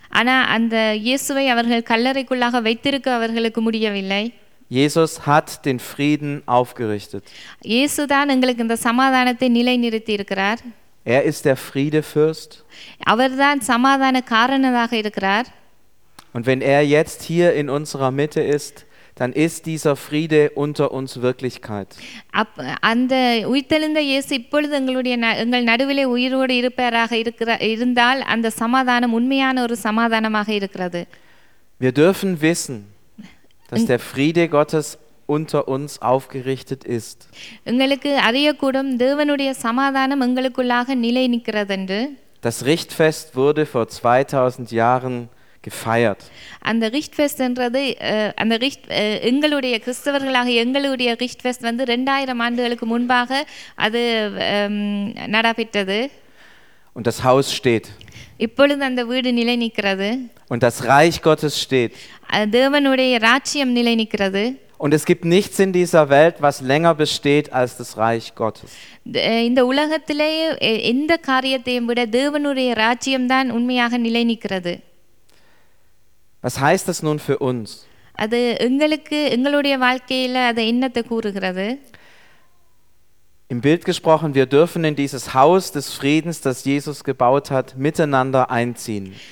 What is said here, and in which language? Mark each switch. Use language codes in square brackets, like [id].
[ta] ஆனா அந்த இயேசுவை அவர்கள் கல்லறைக்குள்ளாக வைத்திருக்க அவர்களுக்கு முடியவில்லை. [de] Jesus hat den Frieden aufgerichtet. [ta] இயேசு தான் எங்களுக்கு இந்த சமாதானத்தை நிலைநிறுத்தி இருக்கிறார். [de] Er ist der Friedefürst. [ta] அவர் தான் சமாதான காரணராக இருக்கிறார். [de] Und wenn er jetzt hier in unserer Mitte ist, dann ist dieser Friede unter uns Wirklichkeit. [ta] அந்த உயிர்த்தெழுந்த இயேசு இப்பொழுது எங்கள் நடுவிலே உயிரோடு இருப்பாராக இருந்தால் அந்த சமாதானம் உண்மையான ஒரு சமாதானமாக இருக்கிறது. [de] Wir dürfen wissen, dass der Friede Gottes unter uns aufgerichtet ist. [ta] எங்களுக்கு அறியக்கூடும் தேவனுடைய சமாதானம் எங்களுக்குள்ளாக நிலை நிற்கிறது என்று. [de] Das Richtfest wurde vor 2000 Jahren gefeiert. [ta] அந்த ரிச்ட்ஃபெஸ்ட் என்றது அந்த ரிச்ட் எங்களுடைய கிறிஸ்தவர்களாக எங்களுடைய ரிச்ட்ஃபெஸ்ட் வந்து 2000 ஆண்டுகளுக்கு முன்பாக அது நடைபெற்றது. [de] Und das Haus steht. [ta] இப்பொழுது அந்த வீடு நிலை நிற்கிறது. [de] Und das Reich Gottes steht. [ta] தேவனுடைய ராஜ்யம் நிலை நிற்கிறது. [de] Und es gibt nichts in dieser Welt, was länger besteht als das Reich Gottes. [ta] இந்த உலகத்திலே எந்த காரியத்தையும் விட தேவனுடைய ராஜ்யம் தான் உண்மையாக நிலை நிற்கிறது. [de] Was heißt das nun für uns? [ta] அது எங்களுக்கு எங்களுடைய வாழ்க்கையில அது என்னத்தை கூறுகிறது? [de] Im Bild gesprochen, wir dürfen in dieses Haus des Friedens, das Jesus gebaut hat, miteinander einziehen.